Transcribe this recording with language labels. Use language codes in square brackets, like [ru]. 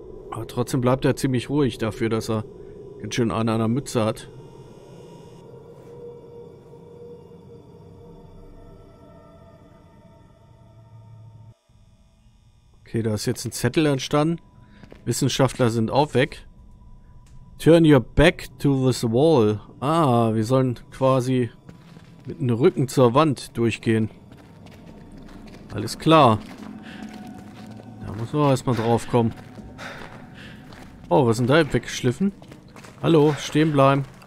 [de] Aber trotzdem bleibt er ziemlich ruhig dafür, dass er ganz schön eine an der Mütze hat. Okay, da ist jetzt ein Zettel entstanden. Wissenschaftler sind auch weg. [en] Turn your back to this wall. [de] Ah, wir sollen quasi mit dem Rücken zur Wand durchgehen. Alles klar. Da muss man erstmal drauf kommen. Oh, was sind da weggeschliffen? Hallo, stehen bleiben.